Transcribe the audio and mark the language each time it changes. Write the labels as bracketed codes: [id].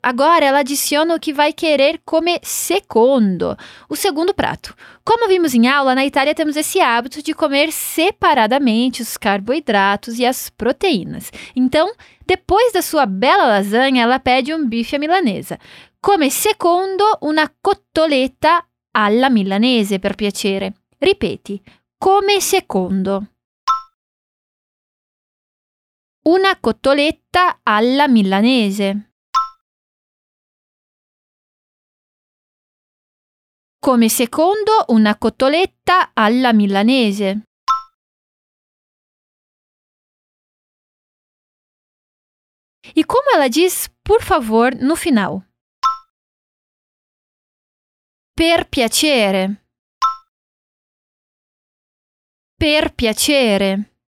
[pt] Agora ela adiciona o que vai querer [it] come secondo, [pt] o segundo prato. Como vimos em aula, na Itália temos esse hábito de comer separadamente os carboidratos e as proteínas. Então, depois da sua bela lasanha, ela pede um bife à milanesa. [it] Come secondo una cotoletta alla milanese, per piacere. Ripeti. Come secondo. Una cotoletta alla milanese. Come secondo una cotoletta alla milanese. [pt] E come ela diz, por favor, no final? [it] Per piacere. Per piacere.